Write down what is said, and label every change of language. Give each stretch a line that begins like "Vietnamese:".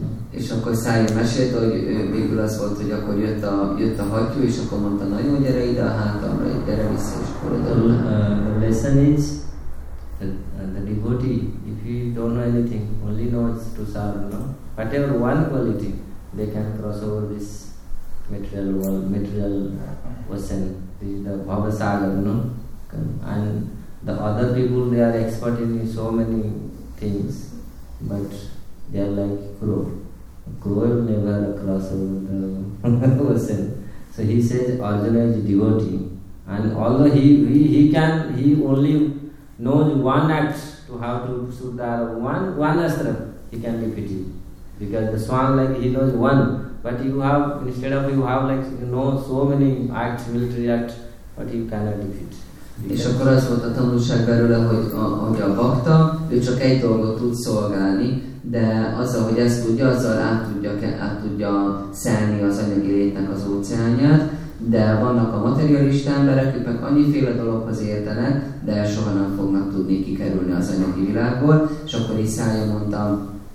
Hungarian: És akkor Szájú mesélt, hogy végül az volt, hogy akkor jött a hattyú, és akkor mondta, nagyon gyere ide a hátamra, gyere vissza, és akkor oda.
English: The lesson is, the devotee, if he don't know anything, only knows to serve, no? Whatever one quality, they can cross over this material world, material ocean. This is the Bhava Sagar, no? And the other people, they are expert in so many things, but they are like crow. Crow will never cross over the ocean. So he says, Arjuna is devotee. And although he only knows one act to how to shoot the arrow, one astra, he can be pity. Because the swan, like, he knows one, but you have, instead of you have, like, you know, so many acts, military acts, but you cannot defeat.
Hungarian: És akkor az volt a tanulság belőle, hogy a bakta, ő csak egy dolgot tud szolgálni, de azzal, hogy ezt tudja, azzal át tudja szelni az anyagi létnek az óceánját. De vannak a materialista emberek, akik annyiféle dologhoz értenek, de soha nem fognak tudni kikerülni az anyagi világból. És akkor így Szája mondta